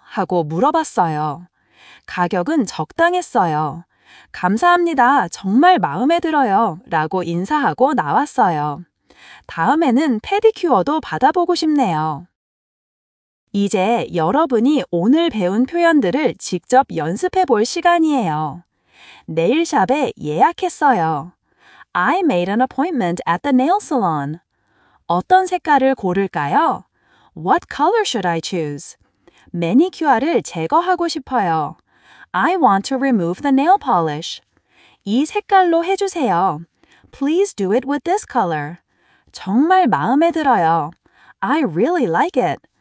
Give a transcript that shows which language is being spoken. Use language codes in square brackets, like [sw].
[ko] 하고 물어봤어요. 가격은 적당했어요. 감사합니다. 정말 마음에 들어요. 라고 인사하고 나왔어요. 다음에는 페디큐어도 받아보고 싶네요. 이제 여러분이 오늘 배운 표현들을 직접 연습해 볼 시간이에요. 네일샵에 예약했어요. [en] I made an appointment at the nail salon. [ko] 어떤 색깔을 고를까요? [en] What color should I choose? [ko] 매니큐어를 제거하고 싶어요. [en] I want to remove the nail polish. [ko] 이 색깔로 해주세요. [en] Please do it with this color. [ko] 정말 마음에 들어요. [en] I really like it.